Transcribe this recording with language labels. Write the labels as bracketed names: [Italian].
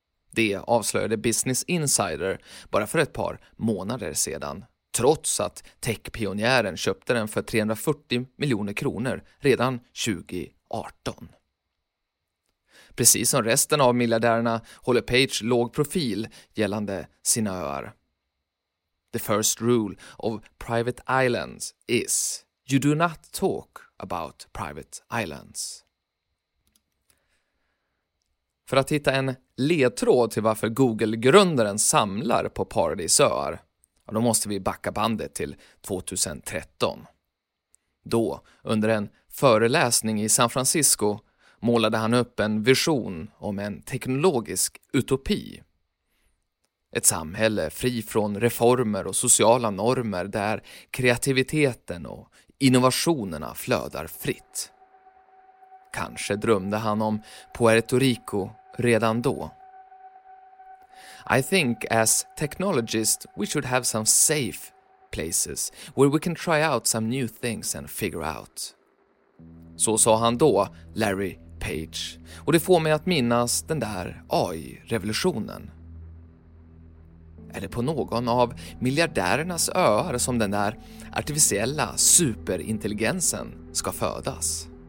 [Swedish] Det avslöjade Business Insider bara för ett par månader sedan, trots att tech-pionjären köpte den för 340 miljoner kronor redan 2018. Precis som resten av miljardärerna håller Page låg profil gällande sina öar. [English] The first rule of private islands is you do not talk about private islands. [Swedish] För att hitta en ledtråd till varför Google-grundaren samlar på paradisöar, då måste vi backa bandet till 2013. Då, under en föreläsning i San Francisco, målade han upp en vision om en teknologisk utopi. Ett samhälle fri från reformer och sociala normer där kreativiteten och innovationerna flödar fritt. Kanske drömde han om Puerto Rico redan då. [English] I think as technologists we should have some safe places where we can try out some new things and figure out. [Swedish] Så sa han då, Larry Page, och det får mig att minnas den där AI-revolutionen. Är det på någon av miljardärernas öar som den där artificiella superintelligensen ska födas?